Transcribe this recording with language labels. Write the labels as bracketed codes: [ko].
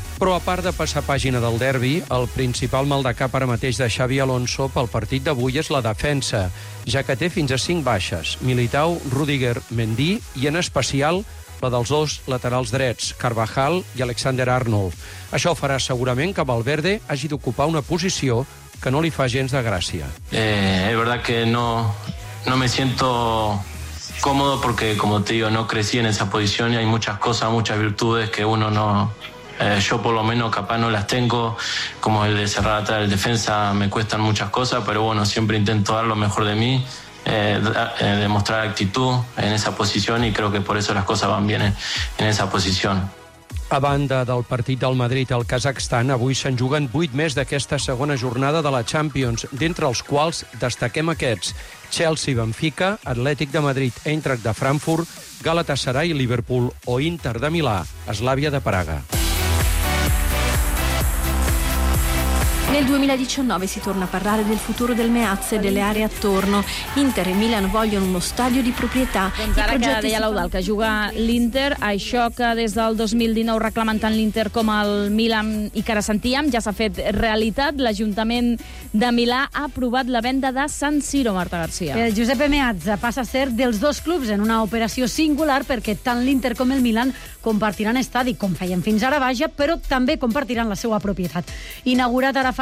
[ca] Però a part de passar pàgina del derbi, el principal mal de cap ara mateix de Xavi Alonso pel partit d'avui és la defensa, ja que té fins a 5 baixes, Militao, Rüdiger, Mendy i, en especial, la dels dos laterals drets, Carvajal i Alexander-Arnold. Això farà segurament que Valverde hagi d'ocupar una posició que no li fa gens de gràcia. [es] Es verdad que no me siento cómodo porque, como te digo, no crecí en esa posición y hay muchas cosas, muchas virtudes que uno no... yo por lo menos capaz no las tengo, como el de cerrar atrás el defensa, me cuestan muchas cosas, pero bueno, siempre intento dar lo mejor de mí. Demostrar actitud en esa posición y creo que por eso las cosas van bien en esa posición. [ca] A banda del partit del Madrid al Kazakhstan, avui se'n juguen 8 més d'aquesta segona jornada de la Champions, d'entre els quals destaquem aquests: Chelsea-Benfica, Atlètic de Madrid, Eintracht de Frankfurt, Galatasaray-Liverpool o Inter de Milà, Slavia de Praga. [it] Nel 2019 si torna a parlare del futuro del Meazza e delle aree attorno. Inter e Milan vogliono uno stadio di proprietà. [ca] Doncs ara que deia l'Eudal que juga l'Inter, això que des del 2019 reclamen tant l'Inter com el Milan i que ara sentíem, ja s'ha fet realitat. L'Ajuntament de Milà ha aprovat la venda de San Siro, Marta García. El Giuseppe Meazza passa a ser dels dos clubs en una operació singular perquè tant l'Inter com el Milan compartiran estadi, com feien fins ara, vaja, però també compartiran la seva propietat. Inaugurat ara fa